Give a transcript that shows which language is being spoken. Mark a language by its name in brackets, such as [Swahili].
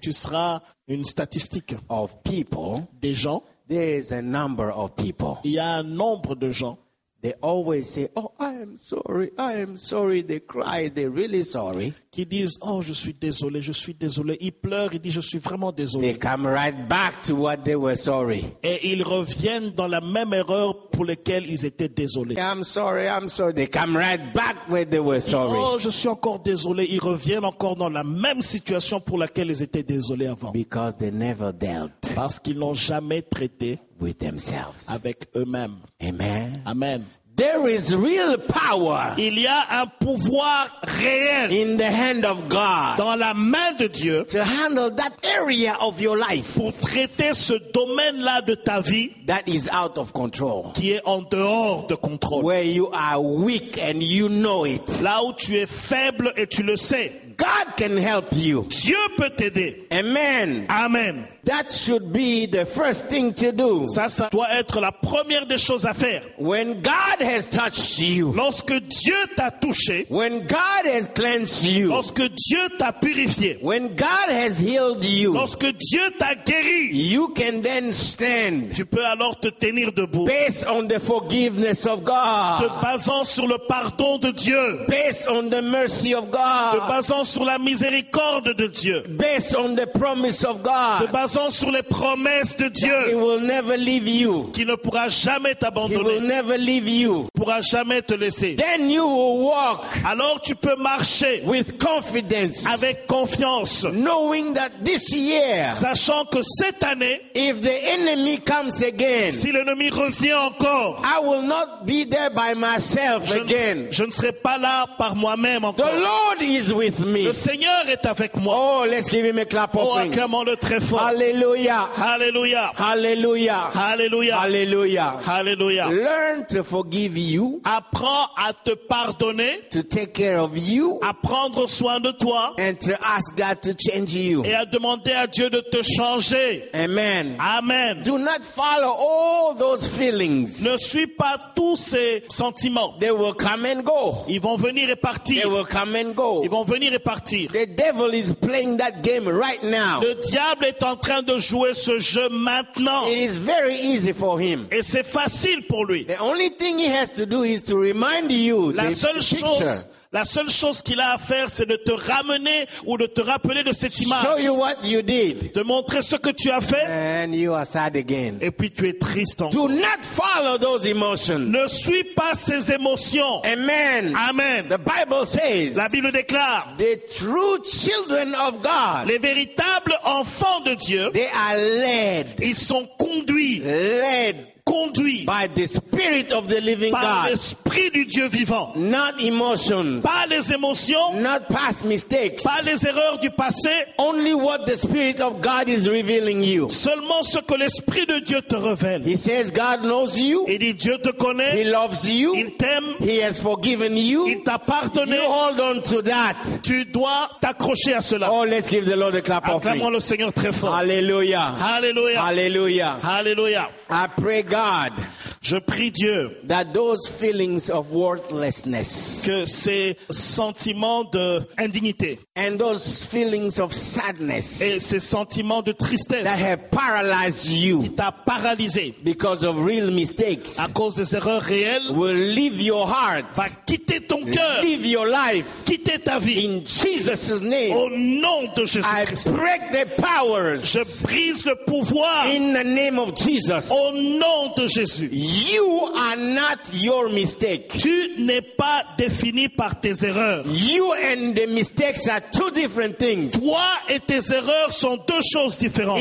[French] Tu seras une statistique [English] of people. [French] Des gens. [English] There is a number of people. [French] Il y a un nombre de gens. [English] They always say, "Oh, I am sorry." They cry. They're really sorry. [French] Qui disent, "Oh, je suis désolé, je suis désolé." Ils pleurent. Ils disent, "Je suis vraiment désolé." [English] They come right back to what they were sorry. [French] Et ils reviennent dans la même erreur pour laquelle ils étaient désolés. [English] I'm sorry. I'm sorry. They come right back where they were sorry. [French] Oh, je suis encore désolé. Ils reviennent encore dans la même situation pour laquelle ils étaient désolés avant. [English] Because they never dealt. [French] Parce qu'ils n'ont jamais traité. [English] With themselves. [French] Avec eux-mêmes. Amen. Amen. [English] There is real power. [French] Il y a un pouvoir réel. [English] In the hand of God. [French] Dans la main de Dieu. [English] To handle that area of your life. [French] Pour traiter ce domaine-là de ta vie. [English] That is out of control. [French] Qui est en dehors de contrôle. [English] Where you are weak and you know it. [French] Là où tu es faible et tu le sais. [English] God can help you. [French] Dieu peut t'aider. Amen. Amen. [English] That should be the first thing to do. [French] Ça doit être la première des choses à faire. [English] When God has touched you. [French] Lorsque Dieu t'a touché. [English] When God has cleansed you. [French] Lorsque Dieu t'a purifié. [English] When God has healed you. [French] Lorsque Dieu t'a guéri. [English] You can then stand. [French] Tu peux alors te tenir debout. [English] Based on the forgiveness of God. [French] Te basant sur le pardon de Dieu. [English] Based on the mercy of God. [French] Te basant sur la miséricorde de Dieu. [English] Based on the promise of God. [French] Sur les promesses de Dieu, [English] he will never leave you. [French] Qui ne pourra jamais t'abandonner. [English] He will never leave you. [French] Pourra jamais te laisser. [English] Then you will walk. [French] Alors tu peux marcher. [English] With confidence. [French] Avec confiance. [English] Knowing that this year. [French] Sachant que cette année. [English] If the enemy comes again. [French] Si l'ennemi revient encore. [English] I will not be there by myself again. [French] Je ne serai pas là par moi-même encore. [English] The Lord is with me. [French] Le Seigneur est avec moi. [English] Oh, let's give him a clap offering. [French] Oh, acclamons-le très fort. Hallelujah. Hallelujah. Hallelujah. Hallelujah. Hallelujah. Hallelujah. [English] Learn to forgive you. [French] Apprends à te pardonner. [English] To take care of you. [French] À prendre soin de toi. [English] And to ask God to change you. [French] Et à demander à Dieu de te changer. Amen. Amen. [English] Do not follow all those feelings. [French] Ne suis pas tous ces sentiments. [English] They will come and go. [French] Ils vont venir et partir. [English] They will come and go. [French] Ils vont venir et partir. [English] The devil is playing that game right now. [French] Le diable est en train de jouer ce jeu maintenant. [English] It is very easy for him. [French] Et c'est facile pour lui. [English] The only thing he has to do is to remind you. [French] La seule chose qu'il a à faire, c'est de te ramener ou de te rappeler de cette image. [English] Show you what you did. [French] De montrer ce que tu as fait. [English] And you are sad again. [French] Et puis tu es triste encore. [English] Do not follow those emotions. [French] Ne suis pas ces émotions. Amen. Amen. [English] The Bible says, [French] la Bible déclare, [English] the true children of God, [French] les véritables enfants de Dieu, [English] they are led. [French] Ils sont conduits. [English] Led. [French] Conduit [English] by the spirit of the living [French] par [English] God. [French] L'esprit du Dieu vivant. [English] Not emotions. [French] Pas les émotions. [English] Not past mistakes. [French] Pas les erreurs du passé. [English] Only what the spirit of God is revealing you. [French] Seulement ce que l'esprit de Dieu te révèle. [English] He says God knows you. [French] Il dit Dieu te connaît. [English] He loves you. [French] Il t'aime. [English] He has forgiven you. [French] Il t'a pardonné. [English] You hold on to that. [French] Tu dois t'accrocher à cela. [English] Oh, let's give the Lord a clap offering. [French] Acclamons le Seigneur très fort. Alléluia. Alléluia. Alléluia. Alléluia. [English] I pray God. [French] Je prie Dieu [English] that those feelings of worthlessness, [French] que ces sentiments de indignité, [English] and those feelings of sadness, [French] et ces sentiments de tristesse, [English] that have paralyzed you, [French] qui t'a paralysé, [English] because of real mistakes, [French] à cause des erreurs réelles, [English] will leave your heart, [French] va quitter ton cœur, [English] leave your life, [French] quitter ta vie, [English] in Jesus' name, [French] au nom de Jésus [English] Christ, I break the powers, [French] je brise le pouvoir, [English] in the name of Jesus, [French] au nom de Jésus. [English] You are not your mistake. [French] Tu n'es pas défini par tes erreurs. [English] You and the mistakes are two different things. [French] Toi et tes erreurs sont deux choses différentes.